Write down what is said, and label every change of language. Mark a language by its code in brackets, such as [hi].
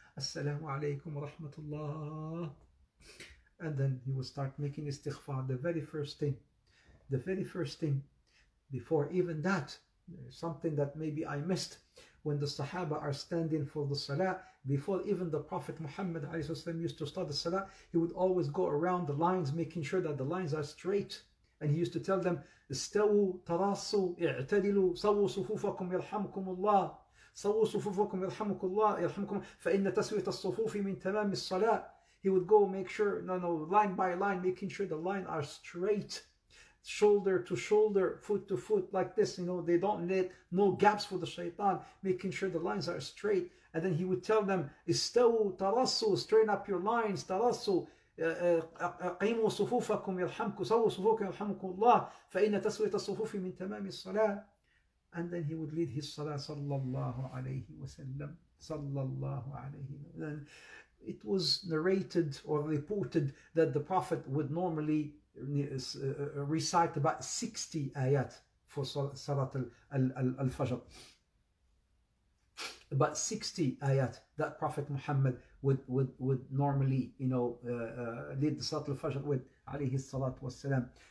[en] As-salamu alaykum wa rahmatullah. And then he will start making istighfar, the very first thing. The very first thing. Before even that, something that maybe I missed, when the Sahaba are standing for the salah, before even the Prophet Muhammad used to start the salah, he would always go around the lines, making sure that the lines are straight. And he used to tell them, [ar] استووا تراصوا اعتدلوا صووا صفوفكم يرحمكم الله صووا صفوفكم يرحمكم الله يرحمكم فإن تسوية الصفوف من تمام الصلاة. [en] He would go make sure, no, line by line, making sure the line are straight, shoulder to shoulder, foot to foot, like this, you know, they don't need no gaps for the shaitan, making sure the lines are straight. And then he would tell them, [ar] استووا تراصوا, [en] straighten up your lines, [ar] تراصوا قيموا صفوفكم يرحمكم صووا صفوفكم يرحمكم الله فإن تسوية الصفوف من تمام الصلاة. [en] And then he would lead his salah [ar] صلى الله عليه وسلم صلى الله عليه وسلم. [en] Then it was narrated or reported that the Prophet would normally recite about 60 ayat for Salat al-Fajr. about 60 ayat that Prophet Muhammad would normally, you know, lead the Salat al-Fajr with, alayhi salat wa salam.